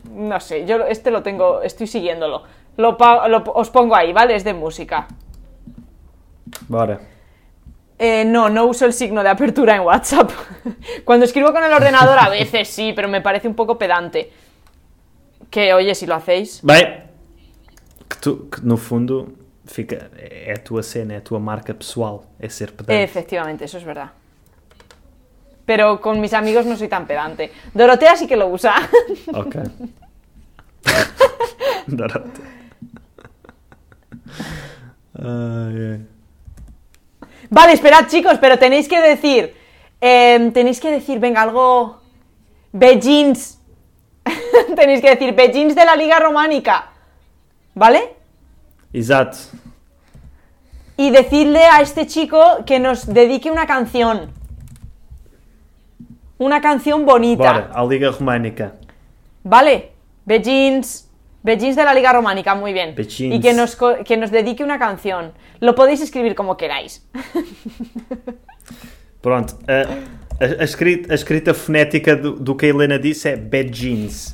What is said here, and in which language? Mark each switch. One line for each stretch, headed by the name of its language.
Spanish: No sé, yo este lo tengo, estoy siguiéndolo. Os pongo ahí, ¿vale? Es de música. Vale. No uso el signo de apertura en WhatsApp. Cuando escribo con el ordenador a veces sí, pero me parece un poco pedante. Que, oye, si lo hacéis... Vale.
Portuguese: Que no fondo, fica, é a tua cena, é a tua marca pessoal, é ser pedante.
Spanish: Efectivamente, eso es verdad. Pero con mis amigos no soy tan pedante. Dorotea sí que lo usa. Ok. Dorotea. Vale, esperad, chicos, pero tenéis que decir... venga, algo... Beijins. Tenéis que decir Beijins de la Liga Románica. ¿Vale? Exacto. Y decidle a este chico que nos dedique una canción. Una canción bonita. Vale, a Liga Románica. Vale, Beijins. Beijins de la Liga Románica, muy bien. Beijins. Y que nos dedique una canción. Lo podéis escribir como queráis.
Portuguese: Pronto. A escrita fonética do que a Elena disse é Beijins.